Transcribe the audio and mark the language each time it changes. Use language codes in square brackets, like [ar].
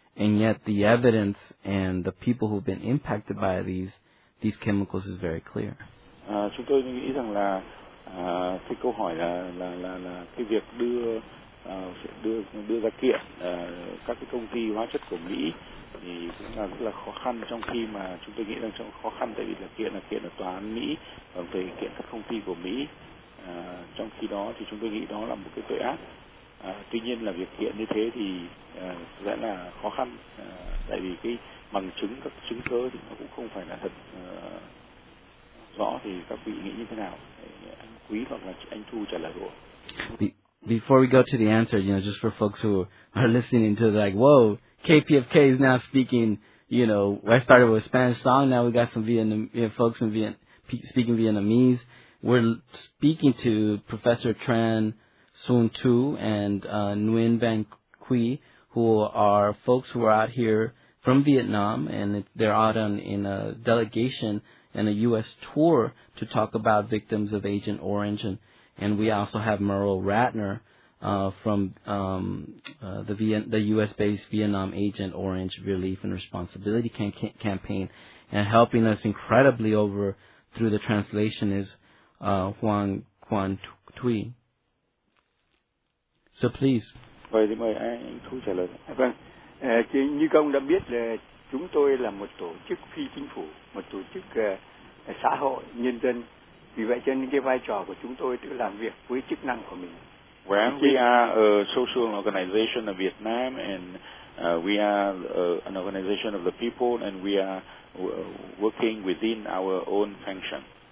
[en] And yet the evidence and the people who've been impacted by these chemicals is very clear. [vi] Chúng tôi nghĩ rằng là cái câu hỏi là cái việc đưa ra kiện các cái công ty hóa chất của Mỹ thì cũng là rất là khó khăn, trong khi mà chúng tôi nghĩ rằng trong khó khăn tại vì là kiện ở tòa án Mỹ và về kiện các công ty của Mỹ, trong khi đó thì chúng tôi nghĩ đó là một cái tội ác. Tuy nhiên là việc kiện như thế thì sẽ là khó khăn, tại vì cái bằng chứng, các chứng cứ thì nó cũng không phải là thật rõ, thì các vị nghĩ như thế nào? Anh Quý hoặc là anh Thu trả lời rồi. [en] before we go to the answer, you know, just for folks who are listening to, like, whoa, KPFK is now speaking, you know, I started with a Spanish song, now we got some folks in speaking Vietnamese. We're speaking to Professor Tran Xuân Thu and Nguyen Van Quy, who are folks who are out here from Vietnam, and they're out in a delegation and a U.S. tour to talk about victims of Agent Orange. And we also have Merle Ratner from the U.S.-based Vietnam Agent Orange Relief and Responsibility Campaign. And helping us incredibly over through the translation is Hoàng Quan Thuy. So please. [vi] Vậy thì mời anh Thu trả lời. Vâng, thì như các ông đã biết là chúng tôi là một tổ chức phi chính phủ, một tổ chức xã hội, nhân dân. Vì vậy cho nên cái vai trò của chúng tôi tự làm việc với chức năng của mình. [en] Well, we are a social organization of Vietnam, and we are an organization of the people, and we are working within our own function.